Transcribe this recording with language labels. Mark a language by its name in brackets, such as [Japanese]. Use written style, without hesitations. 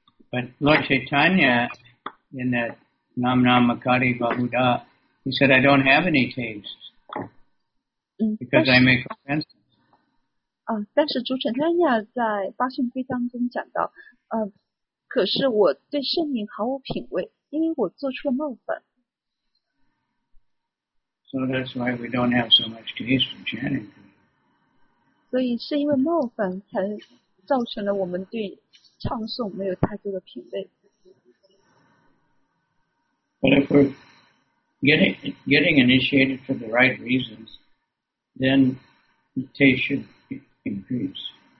[English] But Lord Chaitanya, in that Nam Nam Akari Bahuda, he said, I don't have any taste because I make offenses. [Chinese] 但是主乘丹亚在八训规当中讲到，可是我对圣名毫无品味，因为我做出了冒犯。 [English] So that's why we don't have so much taste for chanting. [Chinese] 所以是因为冒犯才造成了我们对唱诵没有太多的品味。 [English] But if we're getting initiated for the right reasons, then taste should increase.